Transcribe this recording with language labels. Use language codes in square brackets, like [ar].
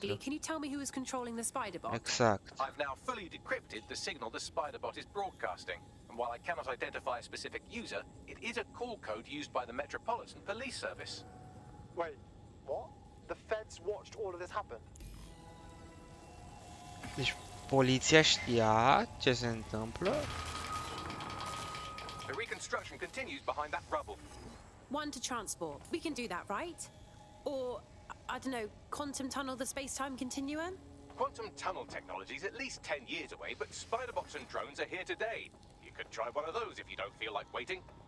[en] Bagley, can you tell me who is controlling the spider bot? Exact. I've now fully decrypted the signal the spider bot is broadcasting. And while I cannot identify a specific user, it is a call code used by the Metropolitan Police Service. Wait, what? The feds watched all of this happen? [ro] Deci poliția știa ce se întâmplă? [en] The reconstruction continues behind that rubble. One to transport. We can do that, right? Or, I don't know, quantum tunnel the space-time continuum? Quantum tunnel technology is at least 10 years away, but spider-bots and drones are here today. You could try one of those if you don't feel like waiting.